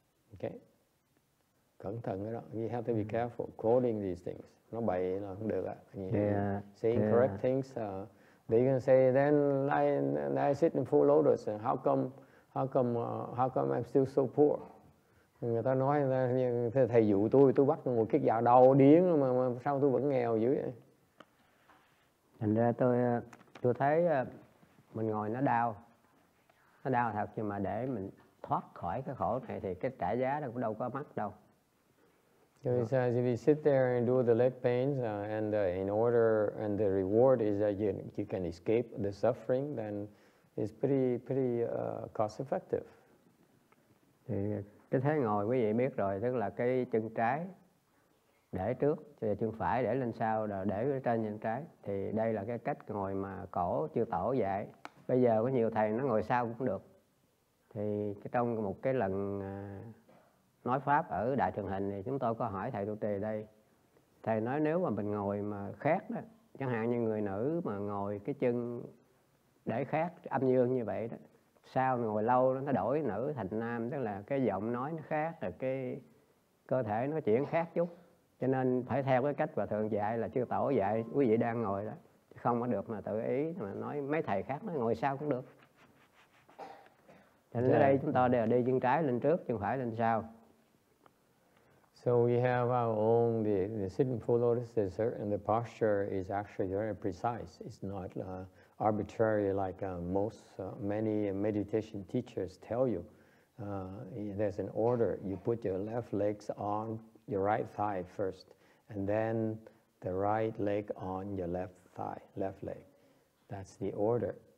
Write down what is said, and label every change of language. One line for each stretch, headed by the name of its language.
English: Okay?
Vietnamese: Cẩn thận cái đó.
English: You have to be careful quoting these things.
Vietnamese: Nó bậy là không được ạ.
English: Saying correct things. They can say, then I sit in full lotus. And how come I'm still so poor?
Vietnamese: Người ta nói, thầy dụ tôi bắt một kiết dạ đầu điến mà sao tôi vẫn nghèo dữ vậy? Thành ra tôi thấy mình ngồi nó đau. Nó đau thật, nhưng mà để mình thoát khỏi cái khổ này thì cái trả giá nó cũng đâu có mắc đâu.
English: So he says, if you sit there and do the leg pains, and the reward is that you can escape the suffering, then it's pretty cost effective.
Vietnamese: Thì cái thế ngồi quý vị biết rồi, tức là cái chân trái để trước, chân phải để lên sau, rồi để trên chân trái, thì đây là cái cách ngồi mà cổ chư tổ dạy. Bây giờ có nhiều thầy nó ngồi sau cũng được. Thì trong một cái lần nói pháp ở đài truyền hình thì chúng tôi có hỏi thầy trụ trì đây, thầy nói nếu mà mình ngồi mà khác đó, chẳng hạn như người nữ mà ngồi cái chân để khác âm dương như vậy đó, sao ngồi lâu nó đổi nữ thành nam, tức là cái giọng nói nó khác, rồi cái cơ thể nó chuyển khác chút, cho nên phải theo cái cách và thường dạy là chư tổ dạy quý vị đang ngồi đó, không có được mà tự ý mà nói mấy thầy khác nói ngồi sao cũng được. Cho nên ở đây chúng ta đều đi chân trái lên trước, chân phải lên sau.
English: So we have our own, the sitting full lotus is certain, the posture is actually very precise. It's not arbitrary like many meditation teachers tell you. There's an order. You put your left leg on your right thigh first, and then the right leg on your left thigh, left leg. That's the order.